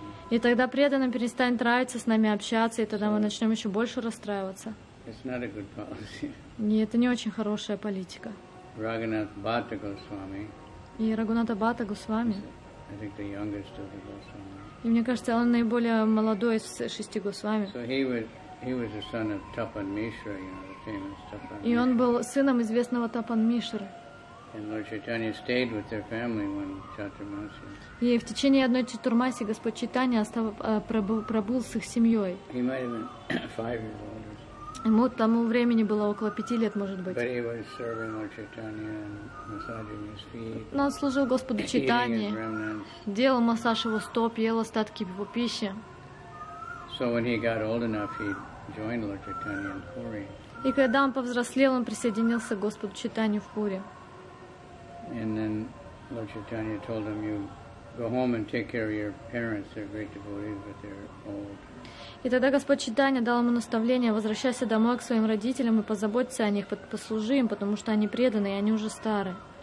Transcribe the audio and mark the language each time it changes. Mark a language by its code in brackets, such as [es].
[ru] И тогда преданным перестанет нравиться с нами общаться, и тогда мы начнем еще больше расстраиваться. [en] It's not a good policy. [ru] Не, это не очень хорошая политика. [en] Raghunath Bhatta Goswami. [ru] И Рагхунатха Бхатта Госвами. [en] I think the youngest of the Госвами. [ru] И мне кажется, он наиболее молодой из шести Госвами. [en] So he was the son of Tapan Mishra, you know, the famous Tapan Mishra. [ru] И он был сыном известного Тапан Мишры. [en] And Lord Chaitanya stayed with their family when Chaturmasi. [ru] И в течение одной Чатурмаси Господь Чайтанья пробыл с их семьей. [en] He might have been 5 years old. [ru] Ему тому времени было около 5 лет, может быть. [en] But he was serving Lord Chaitanya and massaging his feet. [ru] Он служил Господу Чайтанье, делал массаж его стоп, ел остатки его пищи. [en] So when he got old enough, he joined Lord Chaitanya in Puri. [ru] И когда он повзрослел, он присоединился к Господу Чайтанье в Пури. [en] And then Lord Chaitanya told him, "You go home and take care of your parents. They're great devotees, but they're old." [ru] И тогда Господь Чайтанья дал ему наставление: возвращайся домой к своим родителям и позаботься о них, послужи им, потому что они преданы, и они уже стары.